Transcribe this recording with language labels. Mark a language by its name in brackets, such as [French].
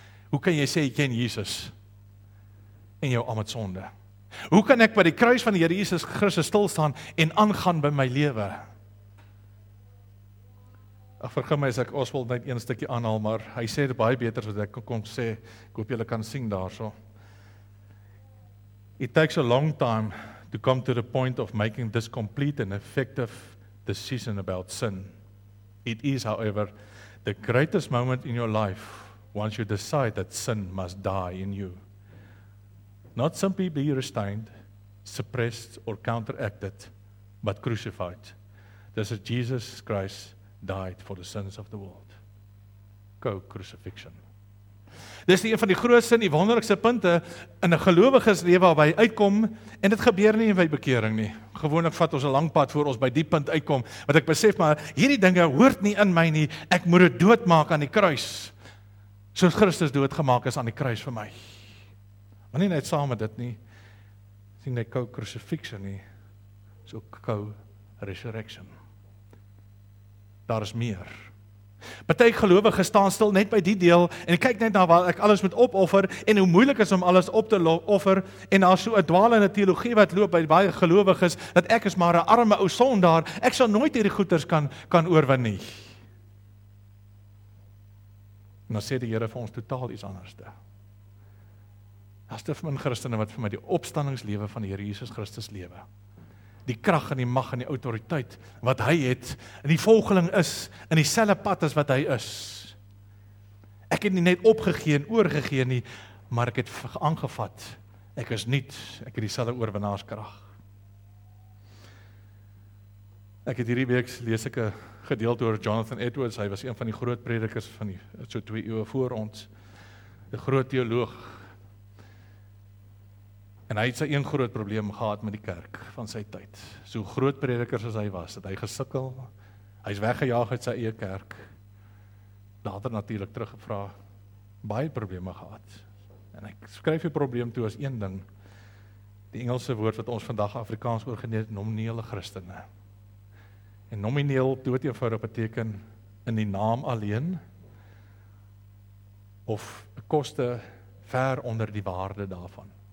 [Afrikaans] Hoe kan jy sê jy ken Jesus en jou almal sonde? Hoe kan ek by die kruis van die Here Jesus Christus stil staan en aangaan by my lewe? Ek vergim my as ek Oswald net een stukkie aanhaal, maar hy sê dit baie beter as wat ek kon sê. Ek hoop julle kan sien daarso. [English] It takes a long time to come to the point of making this complete and effective decision about sin. It is, however, the greatest moment in your life once you decide that sin must die in you. Not simply be restrained, suppressed or counteracted, but crucified. This is Jesus Christ died for the sins of the world. Go crucifixion. [Afrikaans] Dis een van die grootste en die wonderlikste punte in 'n gelowiges lewe waar hy uitkom en dit gebeur nie in wy bekering nie. Gewoonlik vat ons 'n lang pad voor ons by die punt uitkom wat ek besef maar hierdie dinge hoort nie in my nie. Ek moet dit doodmaak aan die kruis. Soos Christus doodgemaak is aan die kruis vir my. Maar nie net saam met dit nie. Sien net kou crucifixion nie. Dis ook kou resurrection. Daar is meer. Party gelowiges staan stil net by die deel en kyk net na waar ek alles moet opoffer en hoe moeilik is om alles op te offer en daar so 'n dwaalende teologie wat loop by baie gelowiges dat ek is maar 'n arme ou sondaar, ek sal nooit hierdie goeters kan oorwin nie. En dan sê die Here vir ons totaal iets anderste. Daar's te min Christene wat vir my die opstandingslewe van die Here Jesus Christus lewe. Die krag en die mag en die autoriteit wat hy het en die volgeling is in dieselfde pad as wat hy is. Ek het nie net opgegee en oorgegee nie, maar ek het aangevat. Ek is nuut, ek het dieselfde oorwinnaarskrag. Ek het hierdie week lees ek 'n gedeelte oor Jonathan Edwards, hy was een van die groot predikers van die so 2 eeue voor ons. 'N groot teoloog. En hy het sy een groot probleem gehad met die kerk van sy tyd. So groot predikers as hy was, het hy gesukkel. Hy is weggejaag uit sy eie kerk. Later natuurlik teruggevra. Baie probleme gehad. En hy skryf die probleem toe as een ding. Die Engelse woord wat ons vandag Afrikaans oorgeneem het, nominele Christene. En nomineel dood eenvoudig beteken in die naam alleen of koste ver onder die waarde daarvan.